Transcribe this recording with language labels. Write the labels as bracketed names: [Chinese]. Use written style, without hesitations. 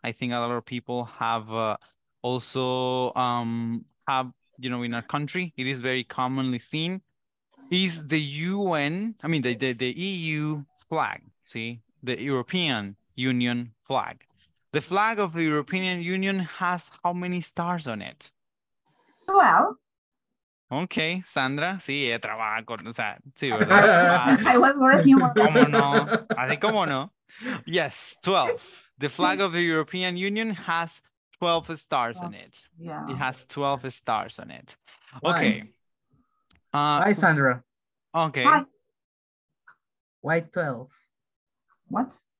[English] I think a lot of people have... also have, you know, in our country, it is very commonly seen, is the UN, I mean, the EU flag, see, the European Union flag. The flag of the European Union has how many stars on it? Well, [Spanish] Okay, Sandra, sí, trabajo, o sea, sí, ¿verdad? [English] I was working. [Spanish] ¿Cómo no? Así como no. Yes, 12. [English] The flag of the European Union has 12 stars on it. Yeah. It has 12 stars on it. Why? Okay. Hi, Sandra. Okay. Why 12? What?